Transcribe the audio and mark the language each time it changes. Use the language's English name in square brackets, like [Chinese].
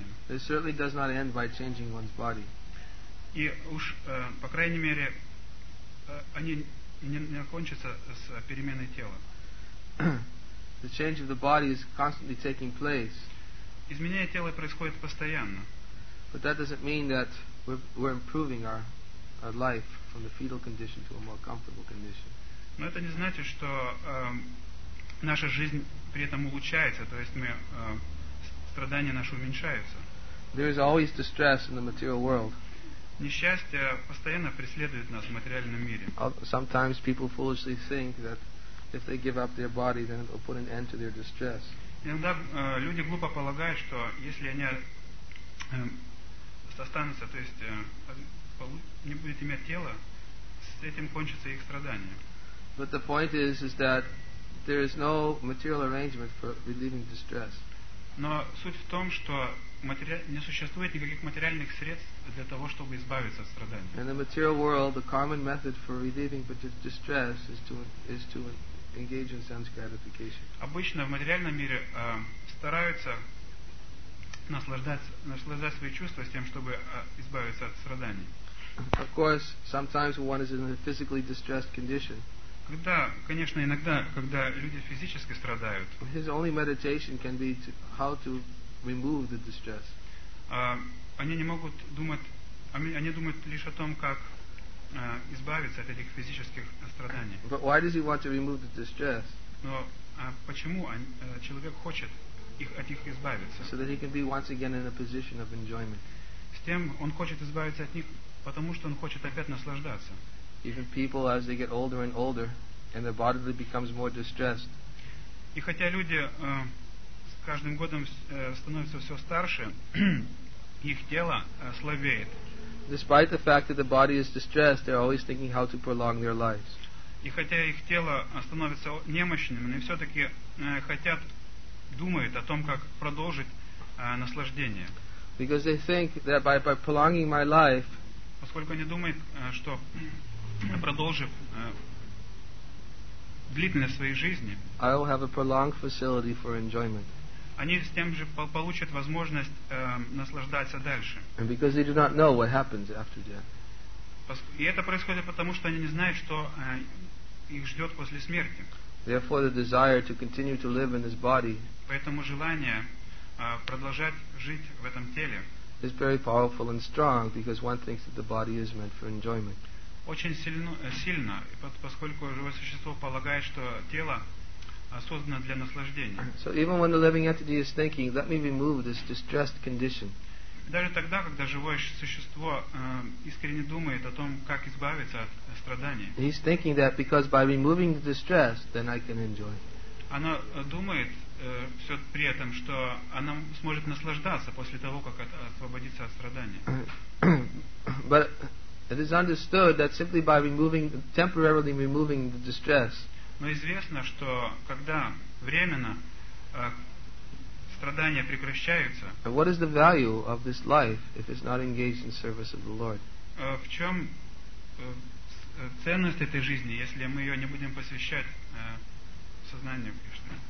[English] It certainly does not end by changing one's body. [Russian] И уж по крайней мере они не кончатся с переменой тела. [English] The change of the body is constantly taking place. [Russian] Изменение тела происходит постоянно. [English] But that doesn't mean that we're improving our life from the fetal condition to a more comfortable condition. [Russian] Но это не значит, что наша жизнь при этом улучшается, то есть мы страдания наши уменьшаются. [English] There is always distress in the material world. [Russian] Несчастье постоянно преследует нас в материальном мире. [English] Sometimes people foolishly think that if they give up their body, then it will put an end to their distress. [Russian] Иногда люди глупо полагают, что если они останутся, то есть не будут иметь тела, с этим кончатся их страдания. [English] But the point is that there is no material arrangement for relieving distress. [Russian] Но суть в том, что не существует никаких материальных средств для того, чтобы избавиться от страданий. [English] In the material world, the common method for relieving distress is to engage in sense gratification. [Russian] Обычно в материальном мире стараются наслаждать свои чувства с тем, чтобы избавиться от страданий. [English] Of course, sometimes one is in a physically distressed condition. [Russian] Когда, конечно, иногда, когда люди физически страдают. [English] His only meditation can be to, how to remove the distress. [Russian] Они не могут думать, они думают лишь о том, как избавиться от этих физических страданий. [English] But why does he want to remove the distress? [Russian] Но почему человек хочет от них избавиться? [English] So that he can be once again in a position of enjoyment. [Russian] С тем он хочет избавиться от них, потому что он хочет опять наслаждаться. [English] Even people, as they get older and older, and their body becomes more distressed. [Russian] И хотя люди с каждым годом становятся все старше, их тело слабеет. [English] Despite the fact that the body is distressed, they're always thinking how to prolong their lives. [Russian] И хотя их тело становится немощным, они все-таки хотят думают о том, как продолжить наслаждение. [English] Because they think that by prolonging my life. [Russian] Поскольку они думают, что продолжив длительность своей жизни, [English] I will have a prolonged facility for enjoyment. [Russian] Они с тем же получат возможность наслаждаться дальше. [English] And because they do not know what happens after death. [Russian] И это происходит потому, что они не знают, что их ждет после смерти. [English] Therefore, the desire to continue to live in this body. [Russian] Поэтому желание продолжать жить в этом теле. [English] Is very powerful and strong because one thinks that the body is meant for enjoyment. [Russian] Очень сильно, поскольку живое существо полагает, что тело создано для наслаждения. [English] So even when the living entity is thinking, let me remove this distressed condition. [Russian] Даже тогда, когда живое существо искренне думает о том, как избавиться от страданий. [English] He's thinking that because by removing the distress, then I can enjoy. [Russian] Оно думает все при этом, что оно сможет наслаждаться после того, как освободиться от страданий. [English] But it is understood that simply by removing, temporarily removing the distress. [Russian] Но известно, что когда временно страдания прекращаются. [English] And what is the value of this life if it's not engaged in service of the Lord? [Russian] В чем ценность этой жизни, если мы ее не будем посвящать сознанию Кришны?